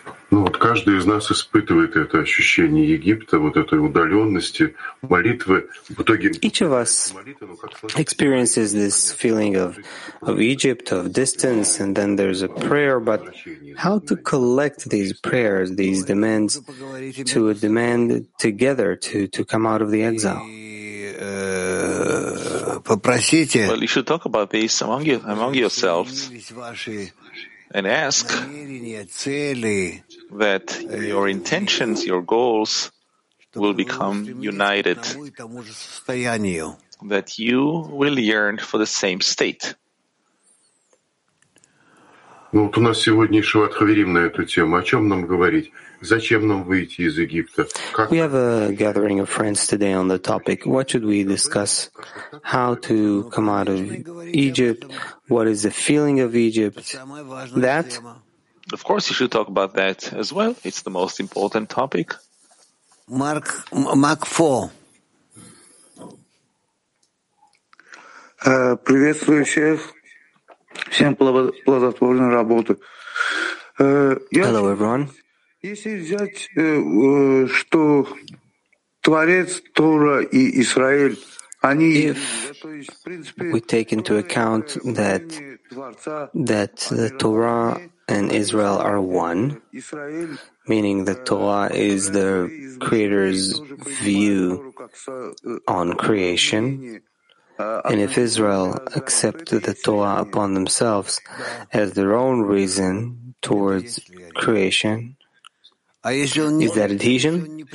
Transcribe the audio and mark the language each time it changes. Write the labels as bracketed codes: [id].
[ru] Ну вот каждый из нас испытывает это ощущение Египта, вот этой удаленности, молитвы. В итоге [en] each of us experiences this feeling of Egypt, of distance, and then there's a prayer. But how to collect these prayers, these demands, to demand together to come out of the exile? [ru] Попросите. [en] Well, you should talk about this among yourselves and ask that your intentions, your goals will become united, that you will yearn for the same state. [ru] Ну вот у нас сегодня Шват Хаверим на эту тему. О чем нам говорить? Зачем нам выйти из Египта? [en] We have a gathering of friends today on the topic. What should we discuss? How to come out of Egypt? What is the feeling of Egypt? That? Of course, you should talk about that as well. It's the most important topic. Mark 4. [ru] Приветствую всех. Всем плодотворной работы. [en] Hello, everyone. [ru] Если взять, что Творец, Тора и Израиль, они... [en] If we take into account that, that the Torah and Israel are one, meaning the Torah is the Creator's view on creation, and if Israel accept the Torah upon themselves as their own reason towards creation, is that adhesion?